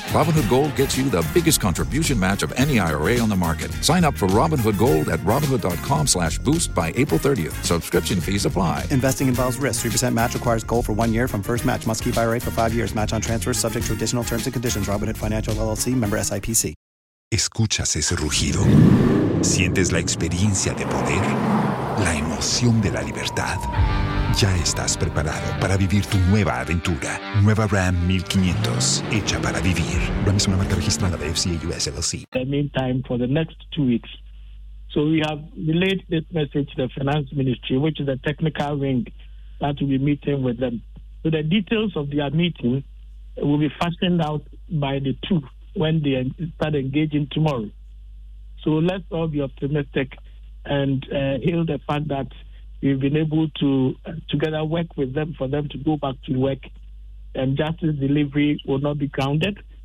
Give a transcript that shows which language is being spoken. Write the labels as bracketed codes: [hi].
[en] Robinhood Gold gets you the biggest contribution match of any IRA on the market. Sign up for Robinhood Gold at Robinhood.com/boost by April 30th. Subscription fees apply. Investing involves risk. 3% match requires gold for 1 year from first match. Must keep IRA for 5 years. Match on transfers subject to additional terms and conditions. Robinhood Financial LLC. Member SIPC. [es] ¿Escuchas ese rugido? ¿Sientes la experiencia de poder? ¿La emoción de la libertad? ya estás preparado para vivir tu nueva aventura. Nueva Ram 1500, hecha para vivir. Ram es una marca registrada de FCA US LLC. [en] The meantime, for the next 2 weeks. So we have relayed this message to the Finance Ministry, which is a technical wing that will be meeting with them. So the details of their meeting will be fashioned out by the two when they start engaging tomorrow. So let's all be optimistic and hail the fact that we've been able to together work with them for them to go back to work, and justice delivery will not be grounded.